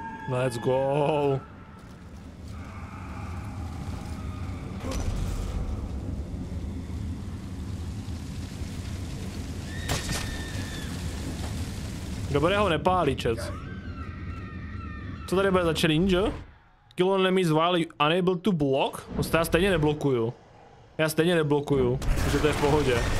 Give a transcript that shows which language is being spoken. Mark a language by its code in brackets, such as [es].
[en] Let's go. [cs] Dobrého nepálí, čec. Co tady bude za challenge? [en] Kill on enemies while unable to block? [cs] Prostě já stejně neblokuju. Já stejně neblokuju, takže to je v pohodě.